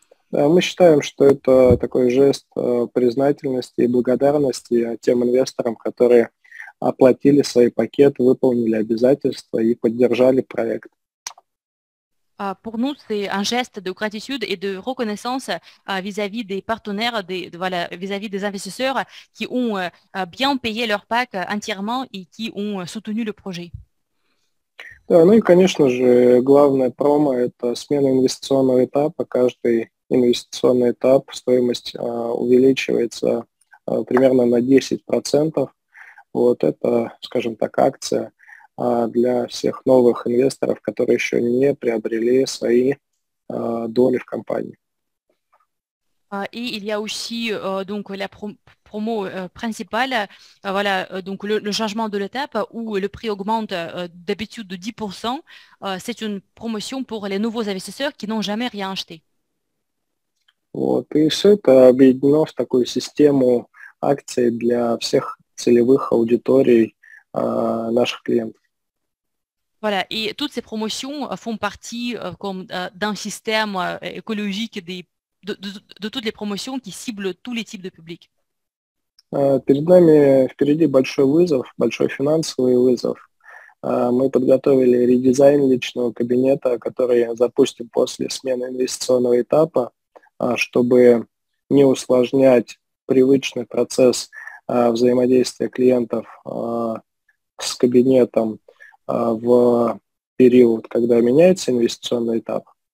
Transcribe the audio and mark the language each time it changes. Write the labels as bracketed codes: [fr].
[ru] Мы считаем, что это такой жест признательности и благодарности тем инвесторам, которые оплатили свои пакеты, выполнили обязательства и поддержали проект. [fr] Pour nous, c'est un geste de gratitude et de reconnaissance vis-à-vis des partenaires, vis-à-vis des investisseurs qui ont bien payé leur pack entièrement et qui ont soutenu le projet. [ru] Да, ну и, конечно же, главная промо – это смена инвестиционного этапа. Каждый инвестиционный этап, стоимость увеличивается примерно на 10%. Вот это, скажем так, акция для всех новых инвесторов, которые еще не приобрели свои доли в компании. [fr] Il y a aussi donc la promo principale, voilà, donc le changement de l'étape où le prix augmente d'habitude de 10%, c'est une promotion pour les nouveaux investisseurs qui n'ont jamais rien acheté. [ru] Вот, и все это объединено в такую систему акций для всех целевых аудиторий, наших клиентов. [fr] Voilà, et toutes ces promotions font partie comme d'un système écologique de toutes les promotions qui ciblent tous les types de public. [ru] Перед нами впереди большой вызов, большой финансовый вызов. Мы подготовили редизайн личного кабинета, который запустим после смены инвестиционного этапа, чтобы не усложнять привычный процесс взаимодействия клиентов с кабинетом в период, когда меняется инвестиционный этап.